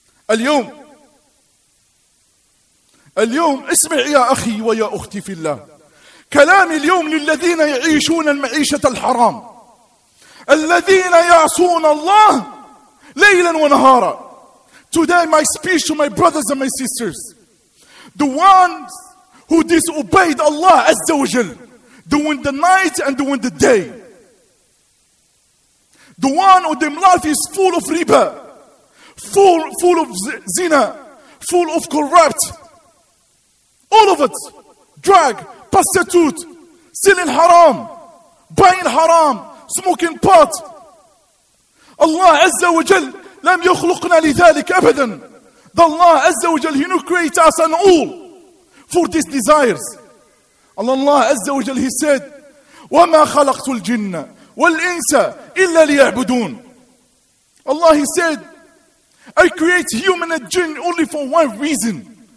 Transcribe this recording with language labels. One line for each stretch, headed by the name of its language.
Arabic: اليوم اليوم اسمع يا أخي ويا أختي في الله كلام اليوم للذين يعيشون المعيشة الحرام الذين يعصون الله ليلا ونهارا.
English: Today my speech to my brothers and my sisters, the ones who disobeyed Allah Azza wa Jal during the night and during the day. The one of them life is full of riba, full of zina, full of corrupt, all of it, drug, prostitute, selling haram, buying haram, smoking pot.
Arabic: Allah Azza wa Jal لم يخلقنا لذلك أبدا.
English: The Allah Azza wa Jal, he knew create us and all for these desires.
Arabic: Allah Azza wa Jal,
English: he said,
Arabic: وَمَا خَلَقْتُ الْجِنَّ وَالْإِنسَ إِلَّا لِيَعْبُدُونَ.
English: Allah, he said, I create human and jinn only for one reason.